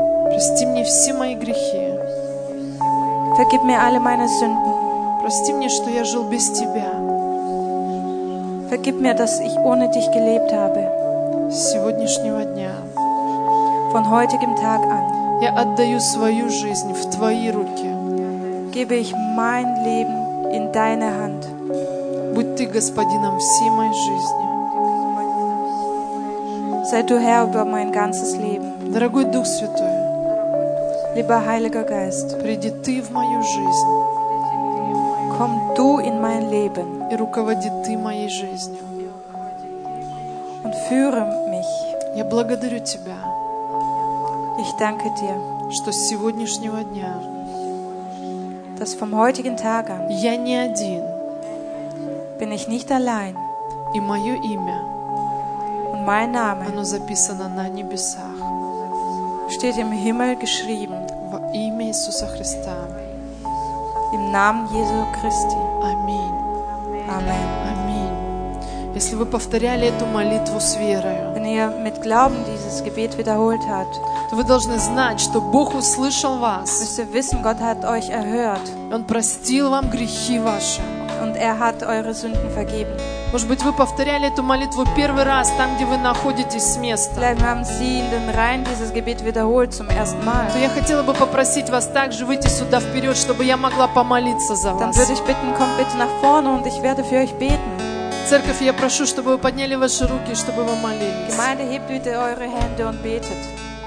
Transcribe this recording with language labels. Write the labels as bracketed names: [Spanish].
[Russian] Прости мне все мои грехи. [German] Vergib mir alle meine Sünden. [Russian] Прости мне, что я жил без тебя. [German] Vergib mir, dass ich ohne dich gelebt habe. [Russian] С сегодняшнего дня. [German] Von heutigem Tag an. [Russian] Я отдаю свою жизнь в твои руки. [German] Gebe ich mein Leben in deine Hand. [Russian] Будь ты господином всей моей жизни. [German] Sei du Herr über mein ganzes Leben. [Russian] Дорогой Дух Святой. [German] Lieber Heiliger Geist. [Russian] Приди ты в мою жизнь. [German] Komm du in mein Leben. [Russian] И руководи ты моей жизнью. [German] Und führe mich. [Russian] Я благодарю тебя. [German] Ich danke dir. [Russian] Что с сегодняшнего дня. [German] Dass vom heutigen Tag an. [Russian] Я не один. [German] Bin ich nicht allein. [Russian] И мое имя. [German] Und mein Name. [Russian] Оно записано на небесах. [German] Steht im Himmel geschrieben. [Russian] Во имя Иисуса Христа. [German] Im Namen Jesu Christi. Amen. Amen. Amen. [Russian] Если вы повторяли эту молитву с верою, [German] wenn ihr mit Glauben dieses Gebet wiederholt habt, [Russian] то вы должны знать, что Бог услышал вас. [German] Müsst ihr wissen, Gott hat euch erhört. [Russian] Он простил вам грехи ваши. [German] Und er hat eure Sünden vergeben. [Russian] Может быть, вы повторяли эту молитву первый раз там, где вы находитесь с места. [German] Vielleicht haben Sie in den Reihen dieses Gebet wiederholt zum ersten Mal. [Russian] То я хотела бы попросить вас также выйти сюда вперед, чтобы я могла помолиться за вас. [German] Dann würde ich bitten, kommt bitte nach vorne und ich werde für euch beten. [Russian] Церковь, я прошу, чтобы вы подняли ваши руки, чтобы вы молились. [German] Gemeinde, hebt bitte eure Hände und betet.